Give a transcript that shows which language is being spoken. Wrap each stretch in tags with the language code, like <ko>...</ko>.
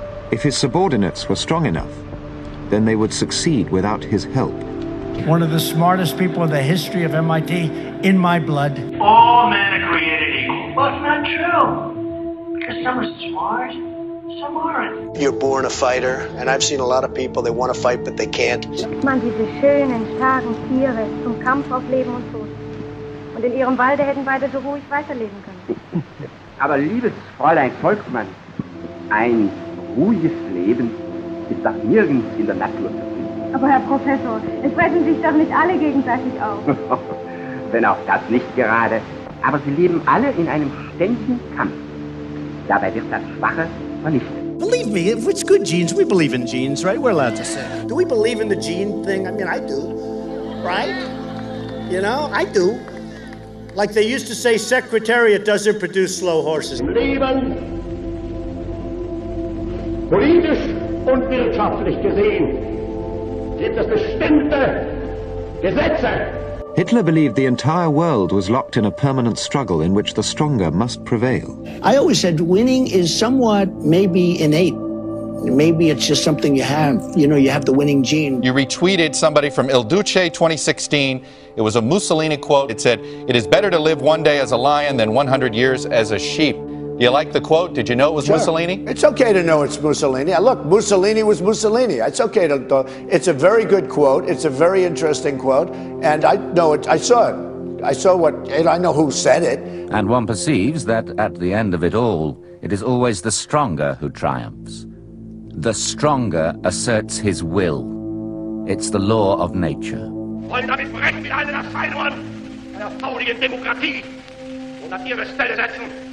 <en>If his subordinates were strong enough, then they would succeed without his help. One of the smartest people in the history of MIT, in my blood. All men are created equal. Well, it's not true, because some are smart. Tomorrow. You're born a fighter, and I've seen a lot of people, they want to fight, but they can't.</en> <de>Man, diese schönen, starken Tiere zum Kampf auf Leben und Tod. Und in ihrem Walde hätten beide so ruhig weiterleben können. Aber liebes Fräulein Volkmann, ein ruhiges Leben ist doch nirgends in der Natur zu finden. Aber Herr Professor, es fressen sich doch nicht alle gegenseitig auf. Wenn auch das nicht gerade. Aber sie leben alle in einem ständigen Kampf. Dabei wird das Schwache vernichtet.</de> <en>Believe me, if it's good genes, we believe in genes, right? We're allowed to say. Do we believe in the gene thing? I mean, I do, right? You know, I do. Like they used to say, Secretariat doesn't produce slow horses.</en> <de>Leben, politisch und wirtschaftlich gesehen, gibt es bestimmte Gesetze.</de> <en>Hitler believed the entire world was locked in a permanent struggle in which the stronger must prevail. I always said winning is somewhat maybe innate. Maybe it's just something you have. You know, you have the winning gene. You retweeted somebody from Il Duce 2016. It was a Mussolini quote. It said, "It is better to live one day as a lion than 100 years as a sheep." Do you like the quote? Did you know it was sure. Mussolini? It's okay to know it's Mussolini. Look, Mussolini was Mussolini. It's okay to know. It's a very good quote. It's a very interesting quote. And I know it. I saw it. I saw what, and I know who said it. And one perceives that at the end of it all, it is always the stronger who triumphs. The stronger asserts his will. It's the law of nature.</en> <de>Wollen damit brechen mit einer Erscheinung einer fauligen Demokratie und an ihre Stelle setzen.</de>